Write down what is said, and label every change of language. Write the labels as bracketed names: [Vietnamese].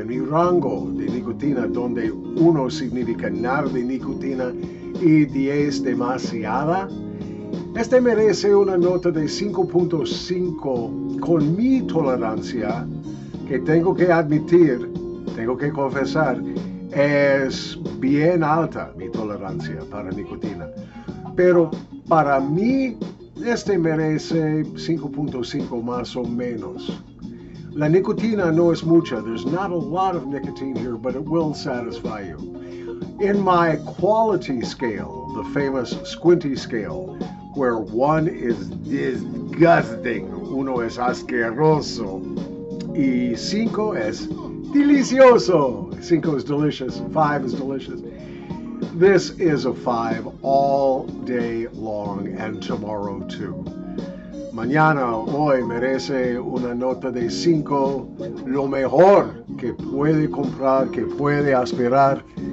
[Spanish] En mi rango de nicotina, donde 1 significa nada de nicotina y 10 demasiada, este merece una nota de 5.5 con mi tolerancia, que tengo que admitir, tengo que confesar, es bien alta mi tolerancia para nicotina. Pero para mí, este merece 5.5 más o menos. La nicotina no es mucha. [English] There's not a lot of nicotine here, but it will satisfy you. In my quality scale, the famous squinty scale, where 1 is disgusting, [Spanish] 1 es asqueroso, y 5 es delicioso. [English] 5 is delicious, 5 is delicious. This is a 5 all day long, and tomorrow too. [Spanish] Mañana, hoy, merece una nota de 5, lo mejor que puede comprar, que puede aspirar.